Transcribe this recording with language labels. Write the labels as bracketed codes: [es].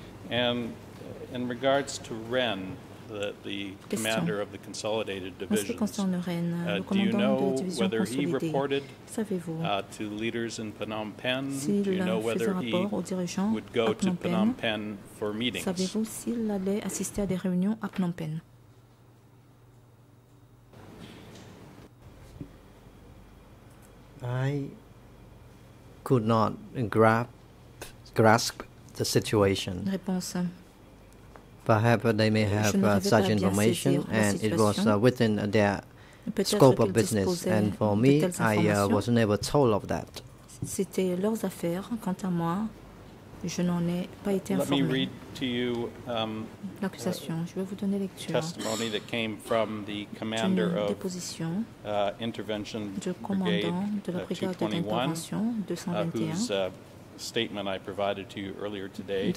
[en] And in regards to Ren, the commander of the Consolidated Division, do you know whether he reported to leaders in Phnom Penh? Do you know whether he would go to Phnom Penh for meetings? [fr] Savez-vous s'il allait assister à des réunions à Phnom Penh? [en] I could not grasp the situation. [fr] Réponse. [en] Perhaps they may have such information, and it was within their scope of business. And for me, I was never told of that. [fr] C'était leurs affaires. Quant à moi, je n'en ai pas été informé. [en] Let me read to you [fr] l'accusation. Je vais vous donner lecture. [en] Testimony that came from the commander of intervention brigade 221, statement I provided to you earlier today.